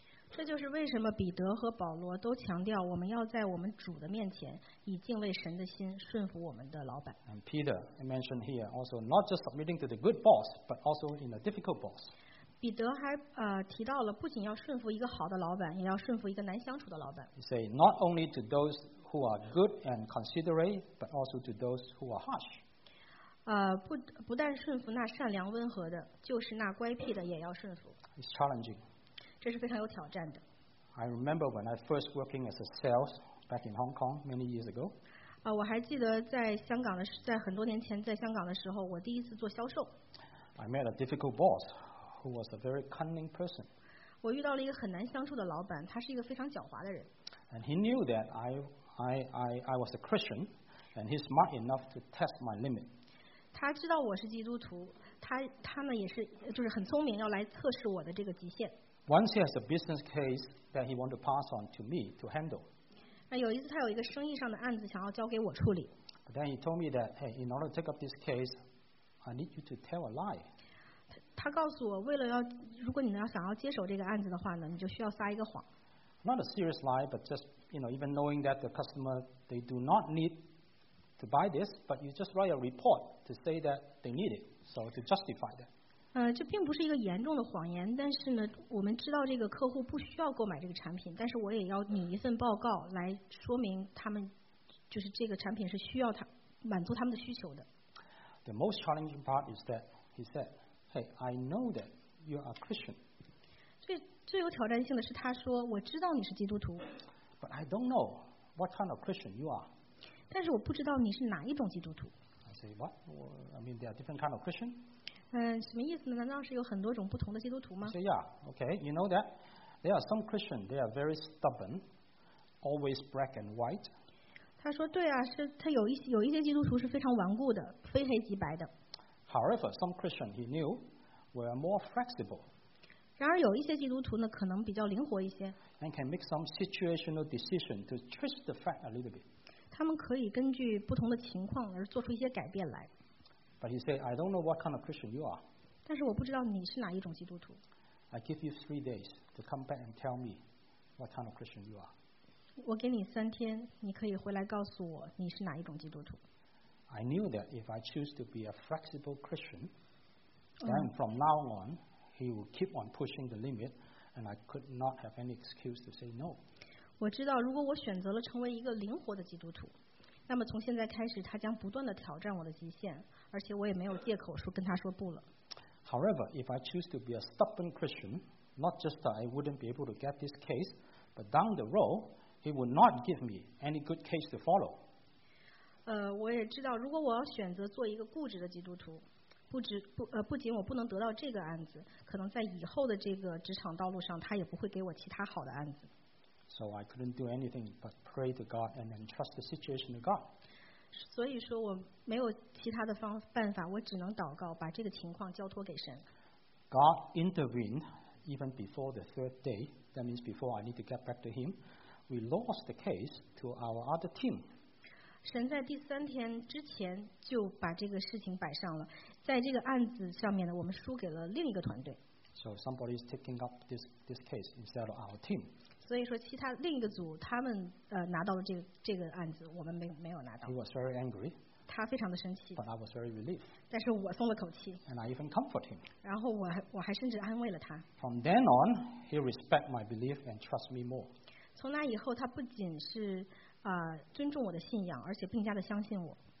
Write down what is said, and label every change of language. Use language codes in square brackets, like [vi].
[zh] 这就是为什么彼得和保罗都强调我们要在我们主的面前以敬畏神的心顺服我们的老板。 [en] And Peter mentioned here also not just submitting to the good boss, but also in a difficult boss. [zh] 彼得还提到了不仅要顺服一个好的老板，也要顺服一个难相处的老板。 [en] He say not only to those who are good and considerate, but also to those who are harsh. [zh] 不但顺服那善良温和的，就是那乖僻的也要顺服。 [en] It's challenging. [zh] 这是非常有挑战的。 [en] I remember when I first working as a sales back in Hong Kong many years ago. [zh] 我还记得在很多年前在香港的时候，我第一次做销售。 [en] I met a difficult boss. Who was a very cunning person. [zh] 我遇到了一个很难相处的老板，他是一个非常狡猾的人。 [en] And he knew that I was a Christian, and he's smart enough to test my limit. [zh] 他知道我是基督徒，他呢也是就是很聪明，要来测试我的这个极限。 [en] Once he has a business case that he wants to pass on to me to handle. [zh] 那有一次他有一个生意上的案子想要交给我处理。 [en] But then he told me that, hey, in order to take up this case, I need you to tell a lie. [zh] 他告诉我，为了要，如果你要想要接手这个案子的话呢，你就需要撒一个谎。 [en] Not a serious lie, but just you know, even knowing that the customer they do not need to buy this, but you just write a report to say that they need it, so to justify that. [zh] 这并不是一个严重的谎言，但是呢，我们知道这个客户不需要购买这个产品，但是我也要拟一份报告来说明他们就是这个产品是需要他满足他们的需求的。 [en] The most challenging part is that he said. Hey, I know that you are a Christian. [zh] 最有挑战性的是他说我知道你是基督徒。 [en] But I don't know what kind of Christian you are. [zh] 但是我不知道你是哪一种基督徒。 [en] I say, what? I mean, there are different kind of Christian. [zh] 什么意思呢？难道是有很多种不同的基督徒吗？ [en] I say, yeah, okay, you know that. There are some Christians, they are very stubborn, always black and white. [zh] 他说对啊，是他有一些基督徒是非常顽固的，非黑即白的。 [en] However, some Christians he knew were more flexible. [zh] 然而有一些基督徒呢，可能比较灵活一些。 [en] And can make some situational decision to twist the fact a little bit. [zh] 他们可以根据不同的情况而做出一些改变来。 [en] But he said, I don't know what kind of Christian you are. [zh] 但是我不知道你是哪一种基督徒。 [en] I give you 3 days to come back and tell me what kind of Christian you are. [zh] 我给你三天，你可以回来告诉我你是哪一种基督徒。 [en] I knew that if I choose to be a flexible Christian, then from now on, he will keep on pushing the limit, and I could not have any excuse to say no. [zh] 我知道，如果我选择了成为一个灵活的基督徒，那么从现在开始，他将不断的挑战我的极限，而且我也没有借口说跟他说不了。 [en] However, if I choose to be a stubborn Christian, not just that I wouldn't be able to get this case, but down the road, he would not give me any good case to follow. [zh] 我也知道，如果我要选择做一个固执的基督徒，不仅我不能得到这个案子，可能在以后的这个职场道路上，他也不会给我其他好的案子。 [en] So I couldn't do anything but pray to God and entrust the situation to God. [zh] 所以说我没有其他的办法，我只能祷告，把这个情况交托给神。 [en] God intervened even before the third day. That means before I need to get back to Him, we lost the case to our other team. [zh] 神在第三天之前就把这个事情摆上了，在这个案子上面呢，我们输给了另一个团队。 [en] So somebody is taking up this case instead of our team. [zh] 所以说，其他另一个组他们拿到了这个案子，我们没有拿到。 [en] He was very angry. [zh] 他非常的生气。 [en] But I was very relieved. [zh] 但是我松了口气。 [en] And I even comforted him. [zh] 然后我还甚至安慰了他。 [en] From then on, he respect my belief and trust me more. [zh] 从那以后，他不仅是尊重我的信仰，而且更加的相信我。